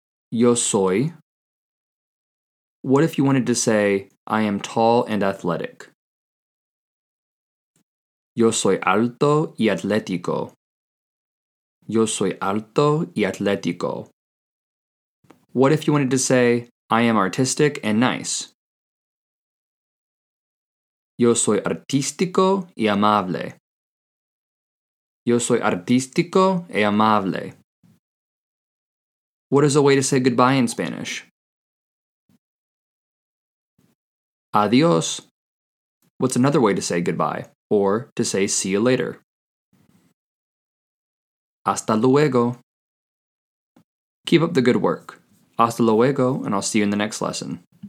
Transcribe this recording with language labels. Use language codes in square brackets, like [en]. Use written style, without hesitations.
[es] Yo soy. [en] What if you wanted to say, I am tall and athletic? [es] Yo soy alto y atlético. Yo soy alto y atlético. [en] What if you wanted to say, I am artistic and nice? [es] Yo soy artístico y amable. Yo soy artístico y amable. [en] What is a way to say goodbye in Spanish? Adiós. What's another way to say goodbye, or to say see you later? [es] Hasta luego. [en] Keep up the good work. Hasta luego, and I'll see you in the next lesson.